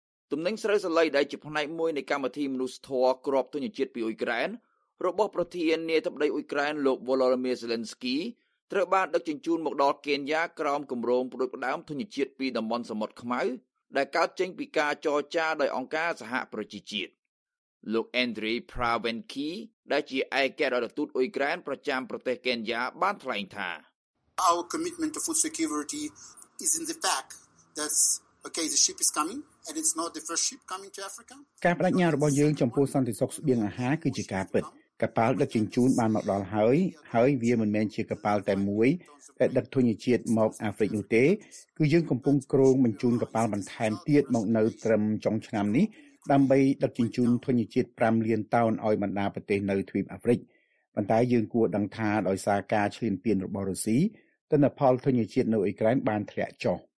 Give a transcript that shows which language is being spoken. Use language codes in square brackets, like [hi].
[km] ទំនិញស្រូវសាលីដែលជាផ្នែកមួយនៃកម្មវិធីមនុស្សធម៌គ្រប់ទុញជាតិពីអ៊ុយក្រែនរបស់ប្រធាននាយដ្ឋមន្ត្រីអ៊ុយក្រែនលោក Volodymyr Zelensky ត្រូវបានដឹកជញ្ជូនមកដល់កេនយ៉ាក្រោមគម្រោងប្រដូចផ្ដាំទុញជាតិពីតំបន់សមុទ្រខ្មៅដែលកើតចេញពីការចរចាដោយអង្គការសហប្រជាជាតិលោក Andrey Pravenky ដែលជាឯកអគ្គរដ្ឋទូតអ៊ុយក្រែនប្រចាំប្រទេសកេនយ៉ាបានថ្លែងថា [en] Our commitment to food security is in the fact that okay the ship is coming and it's not the first ship coming to Africa [km] ការបដិញ្ញារបស់យើងចំពោះសន្តិសុខស្បៀងអាហារគឺជាការពិតកប៉ាល់ដឹកជញ្ជូនបានមកដល់ហើយវាមិនមែនជាកប៉ាល់តែមួយដែលដឹកធនធានជាតិមកអាហ្វ្រិកនោះទេគឺយើងកំពុងគ្រោងបញ្ជូនកប៉ាល់បន្ថែមទៀតមកនៅត្រឹមចុងឆ្នាំនេះដើម្បីដឹកជញ្ជូនធនធានជាតិ5លានតោនឲ្យបណ្ដាប្រទេសនៅទ្វីបអាហ្វ្រិកប៉ុន្តែយើងគួរដឹងថាដោយសារការឈ្លានពានរបស់រុស្ស៊ីទិន្នផលធនធានជាតិនៅអ៊ុយក្រែនបានធ្លាក់ចុះ